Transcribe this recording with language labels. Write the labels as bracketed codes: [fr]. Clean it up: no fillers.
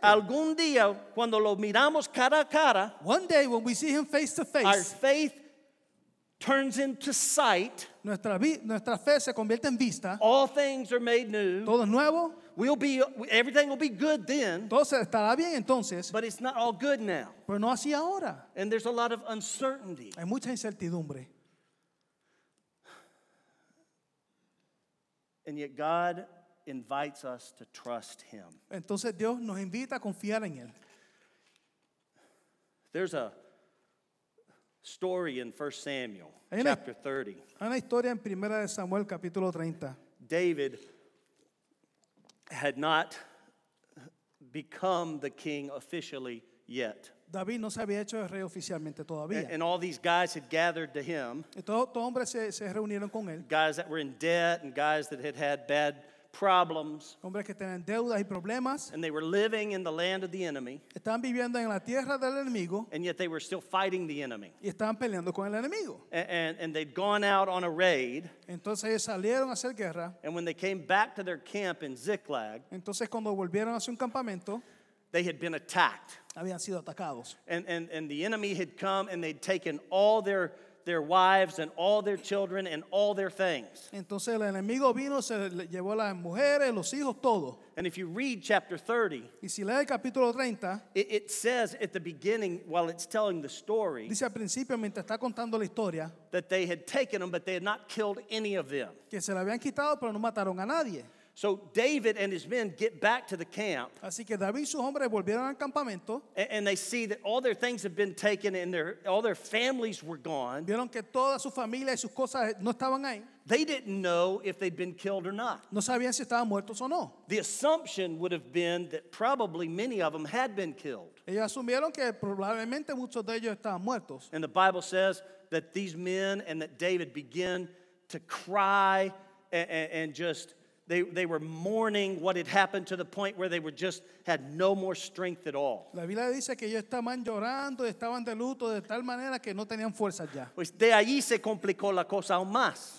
[es] Algún día, cuando lo miramos cara a cara, [en] one day when we see him face to face, our faith turns into sight. [es] Nuestra fe se convierte en vista. [en] All things are made new. [es] Todo nuevo. [en] Everything will be good then. [es] Todo estará bien entonces. [en] But it's not all good now. [es] Pero no así ahora. [en] And there's a lot of uncertainty. [es] Hay mucha incertidumbre. [en] And yet God invites us to trust him. [es] Entonces Dios nos invita a confiar en él. [en] There's a story in 1 Samuel chapter 30. [es] Hay una historia en Primera de Samuel capítulo 30. [en] David had not become the king officially yet. [es] David no se había hecho rey oficialmente todavía. [en] And all these guys had gathered to him. [es] Todos hombres se reunieron con él. [en] Guys that were in debt and guys that had had bad problems. [es] Hombres que tenían deudas y problemas. [en] And they were living in the land of the enemy. [es] Estaban viviendo en la tierra del enemigo. [en] And yet they were still fighting the enemy. [es] Y estaban peleando con el enemigo. [en] And they'd gone out on a raid. [es] Entonces ellos salieron a hacer guerra. [en] And when they came back to their camp in Ziklag, [es] entonces cuando volvieron a su campamento, [en] they had been attacked. [es] Habían sido atacados. [en] And the enemy had come and they'd taken all their wives and all their children and all their things. [es] Entonces el enemigo vino, se llevó las mujeres, los hijos, todo. [en] And if you read chapter 30, [es] y si lees el capítulo 30, [en] it says at the beginning while it's telling the story, [es] dice al principio mientras está contando la historia, [en] that they had taken them but they had not killed any of them. [es] Que se la habían quitado pero no mataron a nadie. [en] So David and his men get back to the camp. [es] Así que David y sus hombres volvieron al campamento. [en] And they see that all their things have been taken and all their families were gone. [es] Vieron que toda su familia y sus cosas no estaban ahí. [en] They didn't know if they'd been killed or not. [es] No sabían si estaban muertos o no. [en] The assumption would have been that probably many of them had been killed. [es] Ellos asumieron que probablemente muchos de ellos estaban muertos. [en] And the Bible says that these men and that David began to cry and just... They were mourning what had happened to the point where they were just had no more strength at all. [es] La Biblia dice que ellos estaban llorando, estaban de luto de tal manera que no tenían fuerzas ya. Pues de allí se complicó la cosa aún más.